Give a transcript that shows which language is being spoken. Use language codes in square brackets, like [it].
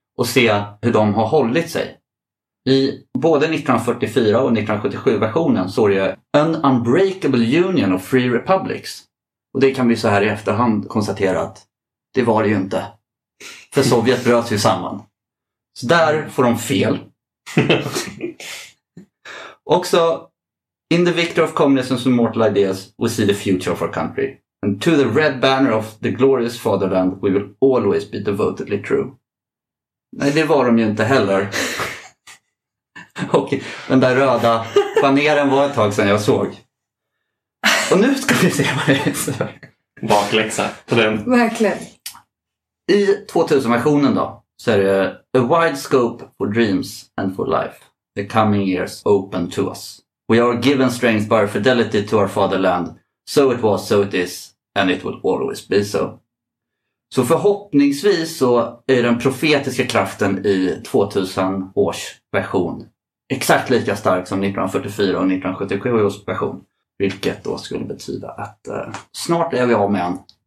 [sv] Och se hur de har hållit sig. I både 1944 och 1977-versionen så är det [en] An Unbreakable Union of Free Republics. [sv] Och det kan vi så här i efterhand konstatera att det var det ju inte. För Sovjet bröt ju samman. Så där får de fel. [en] Också, in the victory of communism's immortal ideas, we see the future of our country. And to the red banner of the glorious fatherland, we will always be devotedly true. [sv] Nej, det var de ju inte heller. Och den där röda baneren var ett tag sedan jag såg. Och nu ska vi se vad det är. Bakläxa på den. Verkligen. I 2000-versionen då, så är det [en] a wide scope for dreams and for life. The coming years open to us. We are given strength by our fidelity to our fatherland. So it was, so it is, and it will always be so. [sv] Så förhoppningsvis så är den profetiska kraften i 2000 års version exakt lika stark som 1944 och 1977 års version. Vilket då skulle betyda att snart är vi av med en.